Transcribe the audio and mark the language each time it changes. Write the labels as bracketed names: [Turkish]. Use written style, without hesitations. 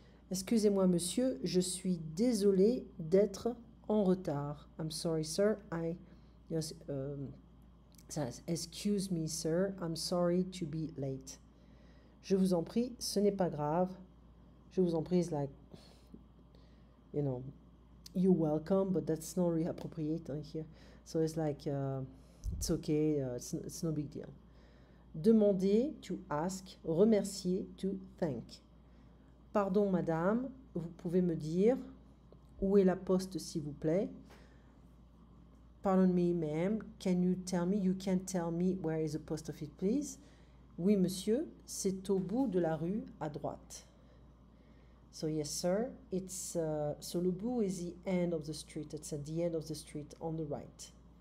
[French] Excusez-moi, monsieur, je suis désolé d'être en retard. [English] I'm sorry, sir. I just excuse me, sir. I'm sorry to be late. [French] Je vous en prie, ce n'est pas grave. Je vous en prie, [English] it's like, you're welcome, but that's not really appropriate here. So it's like, it's okay, it's no big deal. Demander, to ask, remercier, to thank. [French] Pardon, madame, vous pouvez me dire. Où est la poste, s'il vous plaît? [English] Pardon me, ma'am. Can you tell me? You can tell me where is the post office, please? [French] Oui, monsieur. C'est au bout de la rue, à droite. [English] So, yes, sir. So, le bout is the end of the street. It's at the end of the street, on the right.